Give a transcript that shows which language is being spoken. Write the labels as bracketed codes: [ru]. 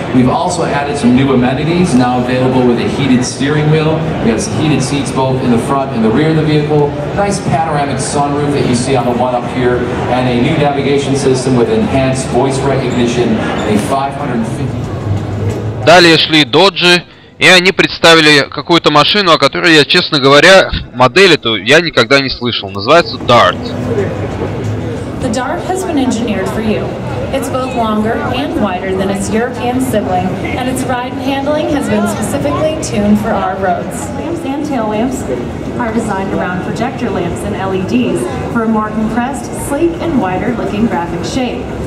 [en] We've also added some new amenities, now available with a heated steering wheel. We have heated seats both in the front and the rear of the vehicle. Nice panoramic sunroof that you see on the one up here, and a new navigation system with enhanced voice recognition, a 550... [ru] Далее шли Dodge, и они представили какую-то машину, о которой я, честно говоря, модель эту я никогда не слышал. Называется Dart. [en] The Dart has been engineered for you. It's both longer and wider than its European sibling, and its ride and handling has been specifically tuned for our roads. Lamps and tail lamps are designed around projector lamps and LEDs for a more compressed, sleek, and wider looking graphic shape.